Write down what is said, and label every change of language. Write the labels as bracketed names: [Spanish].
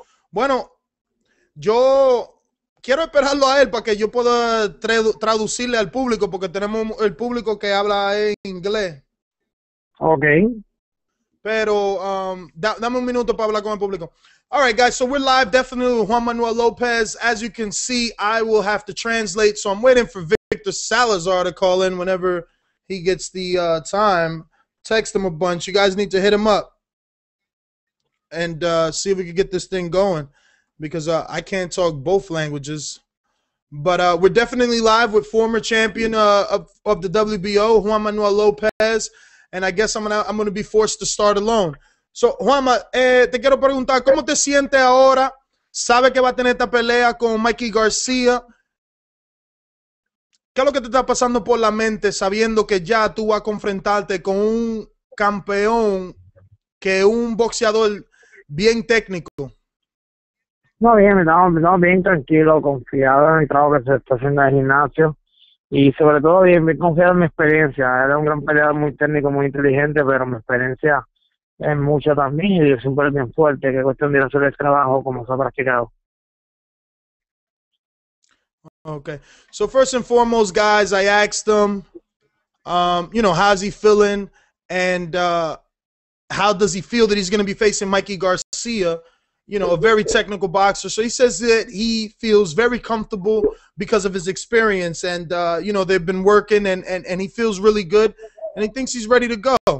[Spanish] Bueno, yo quiero esperarlo a él para que yo pueda traducirle al público, porque tenemos el público que habla en inglés. Ok. Pero dame un minuto para hablar con el público. [English] All right, guys, so we're live definitely with Juan Manuel Lopez. As you can see, I will have to translate, so I'm waiting for Victor Salazar to call in whenever he gets the time. Text him a bunch. You guys need to hit him up and see if we can get this thing going because I can't talk both languages. But we're definitely live with former champion of the WBO, Juan Manuel Lopez, and I guess I'm gonna be forced to start alone. [Spanish] So, Juanma, te quiero preguntar, ¿cómo te sientes ahora? ¿Sabes que va a tener esta pelea con Mikey García? ¿Qué es lo que te está pasando por la mente sabiendo que ya tú vas a confrontarte con un campeón que es un boxeador bien técnico? No, bien, no, bien tranquilo, confiado en el trabajo que se está haciendo en el gimnasio. y sobre todo bien confiado en mi experiencia. Era un gran peleador, muy técnico, muy inteligente, pero mi experiencia es mucha también, y yo siempre bien fuerte, que es cuestión de hacer el trabajo como se ha practicado. [English] Okay, so first and foremost, guys, I asked him, you know, how's he feeling, and how does he feel that he's going to be facing Mikey Garcia, you know, a very technical boxer. So he says that he feels very comfortable because of his experience, and, you know, they've been working, and he feels really good, and he thinks he's ready to go.